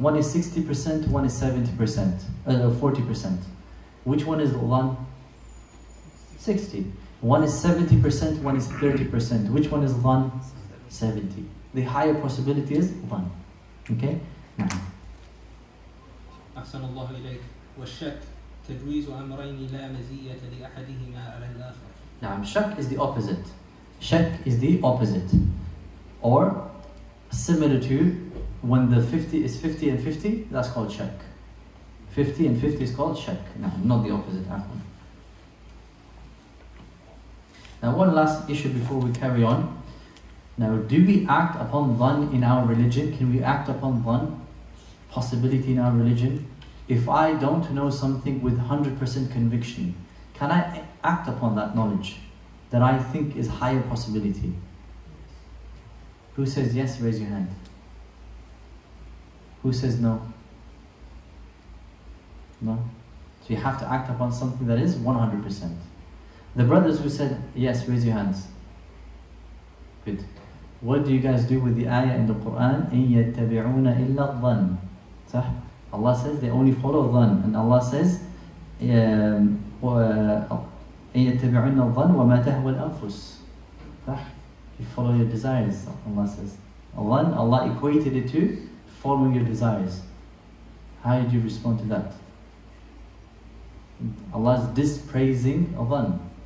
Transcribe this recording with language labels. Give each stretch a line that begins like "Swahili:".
English: One is 60%, one is 70%, 40%. Which one is ظن? 60. One is 70%, one is 30%. Which one is ظن? 70. The higher possibility is one. Okay?
Arabic: أحسن الله إليك. والشك تجويز أمرين لا مزية لأحدهما على الآخر. نعم.
English: شك is the opposite. شك is the opposite. Or similar to when the 50 is 50 and 50, that's called شك. 50 and 50 is called شك. نعم. Not the opposite. Now one last issue before we carry on. Now, do we act upon dhan in our religion? Can we act upon dhan possibility in our religion? If I don't know something with 100% conviction, can I act upon that knowledge that I think is higher possibility? Who says yes, raise your hand. Who says no? No? So you have to act upon something that is 100%. The brothers who said yes, raise your hands. Good. What do you guys do with the ayah in the Quran?
Arabic: إِن يَتَّبِعُونَ إِلَّا الظَّنِّ. صح?
English: Allah says they only follow dhan. And Allah says,
Arabic: إِن يَتَّبِعُونَ الظَّنِّ وَمَا تَهْوَ الْأَنفُسِ. صح?
English: You follow your desires, Allah says. Dhan, Allah equated it to following your desires. How did you respond to that? Allah is dispraising dhan.